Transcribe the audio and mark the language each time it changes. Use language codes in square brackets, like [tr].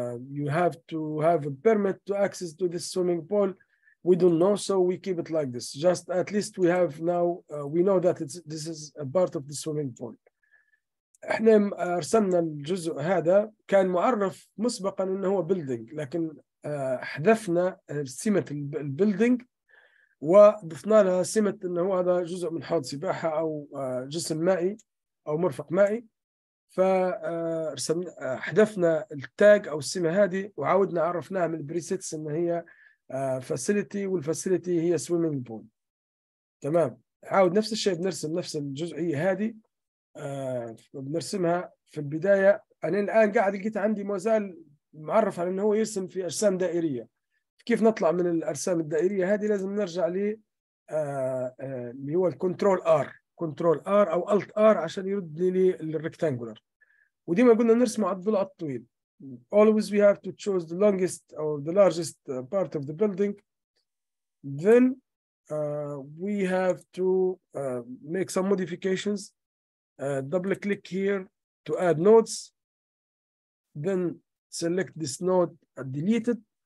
[en] you have to have a permit to access to this swimming pool. We don't know, so we keep it like this. Just at least we have now, we know that it's, this is a part of the swimming pool. [ar] احنا ارسلنا الجزء هذا كان معرف مسبقا انه هو building, لكن حذفنا سمة البيلدينج وضفنا لها سمة انه هذا جزء من حوض سباحة او جسم مائي او مرفق مائي. فرسمنا حذفنا التاج او السمة هذه وعاودنا عرفناها من البريسيتس ان هي فاسيليتي والفاسيليتي هي سويمينج بول. تمام, عاود نفس الشيء بنرسم نفس الجزئية هذه بنرسمها في البداية. انا الان قاعد لقيت عندي مازال معرف على انه هو يرسم في ارسام دائرية. كيف نطلع من الارسام الدائرية هذه؟ لازم نرجع ل اللي هو الكنترول ار, كنترول ار او الت ار عشان يرد لي الريكتانجولر. وديما قلنا نرسمه على الضلع الطويل. [en] Always we have to choose the longest or the largest part of the building. Then we have to make some modifications. Double click here to add nodes. Then select this node and delete it.